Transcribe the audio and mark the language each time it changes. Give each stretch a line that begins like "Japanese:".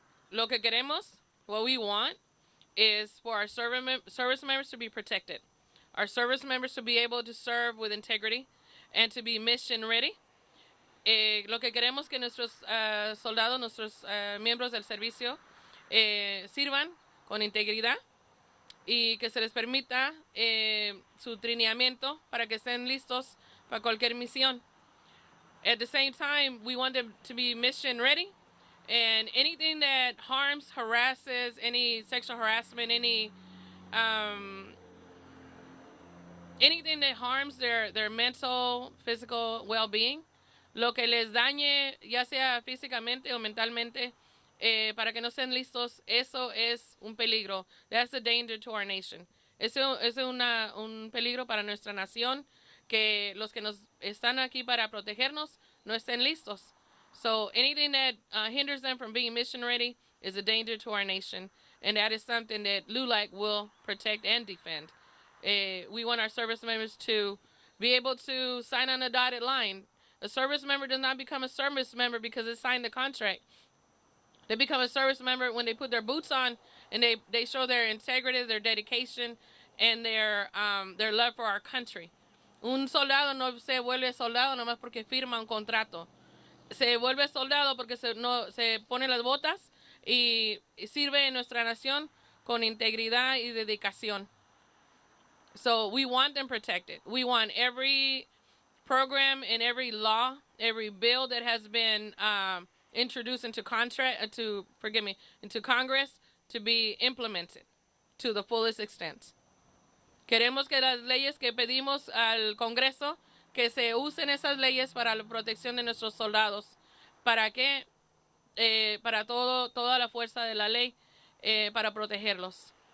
Spanish: Lo que queremos,
English: what we want, is for our service members to be protected. Our service members to be able to serve with integrity and to be mission ready.
Spanish: Lo que queremos que nuestros soldados, nuestros miembros del servicio, sirvan con integridad y que se les permita su entrenamiento para que estén listos para cualquier misión.
English: At the same time, we want them to be mission ready, and anything that harms, harasses, any sexual harassment, anything that harms their mental, physical well-being,
Spanish: lo que les dañe, ya sea físicamente o mentalmente, para que no estén listos, eso es un peligro.
English: That's a danger to our nation.
Spanish: Es un peligro para nuestra nación, que los que nos están aquí para protegernos no estén listos.
English: So anything that hinders them from being mission ready is a danger to our nation. And that is something that LULAC will protect and defend. We want our service members to be able to sign on a dotted line. A service member does not become a service member because they signed the contract. They become a service member when they put their boots on and they show their integrity, their dedication, and their love for our country.
Spanish: Un soldado no se vuelve soldado nomás porque firma un contrato. Se vuelve soldado porque se pone las botas y sirve en nuestra nación con integridad y dedicación.
English: So we want them protected. We want every program and every law, every bill that has been introduced into Congress to be implemented to the fullest extent.
Spanish: Queremos que las leyes que pedimos al Congreso, que se usen esas leyes para la protección de nuestros soldados. ¿Para qué? Para toda la fuerza de la ley, para protegerlos.